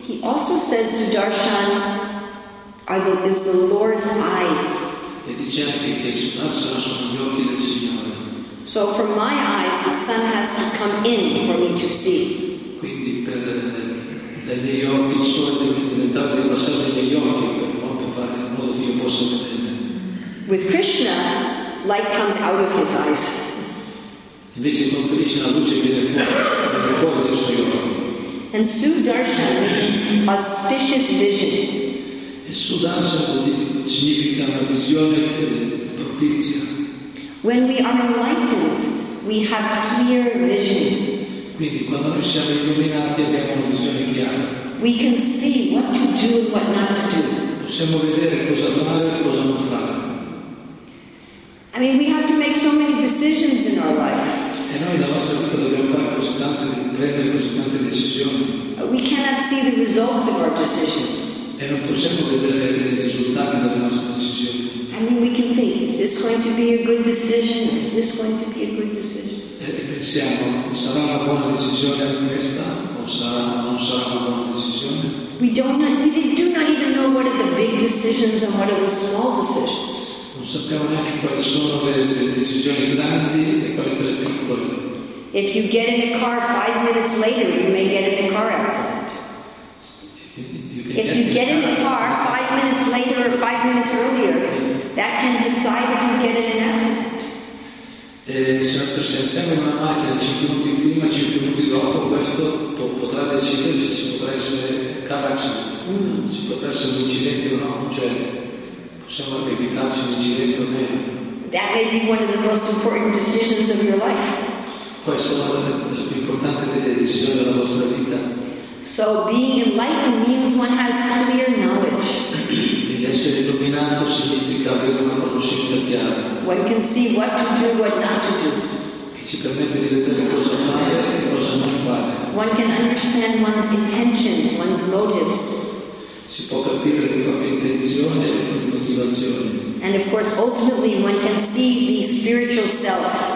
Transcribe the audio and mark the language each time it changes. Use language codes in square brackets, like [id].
[en] He also says Sudarshan is the Lord's eyes. [it] E dice anche che Sudarshan sono gli occhi del Signore. [en] So from my eyes the sun has to come in for me to see. [it] Quindi per dai miei occhi il sole deve diventare passare dagli occhi per [en] With Krishna, light comes out of his eyes. [it] Invece con Krishna luce viene fuori dai suoi occhi. [en] And Sudarshan means auspicious vision. [it] E Sudarshan significa una visione propizia. [en] When we are enlightened, we have clear vision. [it] Quindi quando noi siamo illuminati abbiamo una visione chiara. [en] We can see what to do and what not to do. [it] Possiamo vedere cosa fare e cosa non fare. [en] I mean, we have to make so many decisions in our life. [it] E noi nella nostra vita dobbiamo fare così tante, prendere così tante decisioni. [en] We cannot see the results of our decisions. [it] E non possiamo vedere i risultati delle nostre decisioni. [en] I mean, we can think, is this going to be a good decision? Or is this going to be a good decision? [it] E pensiamo, sarà una buona decisione questa? O sarà, non sarà una buona decisione? [en] We do not even know what are the big decisions and what are the small decisions. [it] Non sappiamo neanche quali sono le decisioni grandi e quali quelle piccole. [en] If you get in a car 5 minutes later, you may get in a car accident. If you get in a car 5 minutes later or 5 minutes earlier, that can decide if you get in an accident. [it] Se andiamo in una macchina 5 minuti prima, 5 minuti dopo, questo potrà decidere se ci potrà essere [en] car accident, [it] se potrà essere un incidente o no. Cioè, possiamo evitarci un incidente o meno. [en] That may be one of the most important decisions of your life. [it] Questa è una delle più importanti decisioni della vostra vita. [en] So being enlightened means one has clear knowledge. [it] Essere illuminato significa avere una conoscenza chiara. [en] One can see what to do, what not to do. [it] Ci permette di vedere cosa fare e cosa non fare. [en] One can understand one's intentions, one's motives. [it] Si può capire le proprie intenzioni e le proprie motivazioni. [en] And of course, ultimately, one can see the spiritual self.